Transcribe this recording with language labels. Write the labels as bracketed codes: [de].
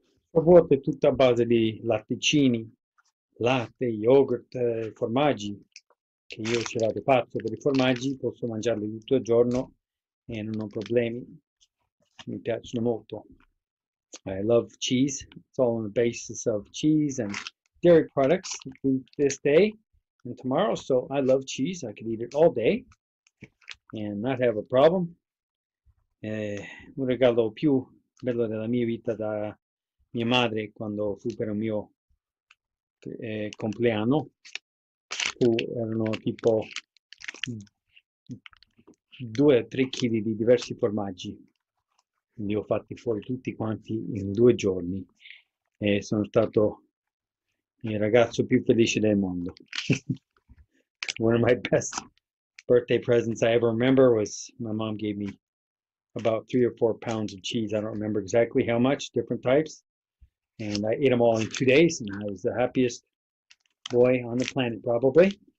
[it] Vuoto è tutta a base di latticini, latte, yogurt, formaggi, che io ce l'ho pazzo per i formaggi, posso mangiarli tutto il giorno e non ho problemi, mi piacciono molto. [en] I love cheese, it's all on the basis of cheese and dairy products this day and tomorrow, so I love cheese, I could eat it all day and not have a problem. [it] Un regalo più bello della mia vita da mia madre, quando fu per un mio compleanno, erano tipo 2 o 3 chili di diversi formaggi. Li ho fatti fuori tutti quanti in 2 giorni e sono stato il ragazzo più felice del mondo. [en] One of my best birthday presents I ever remember was my mom gave me about 3 or 4 pounds of cheese. I don't remember exactly how much, different types. And I ate them all in 2 days, and I was the happiest boy on the planet, probably.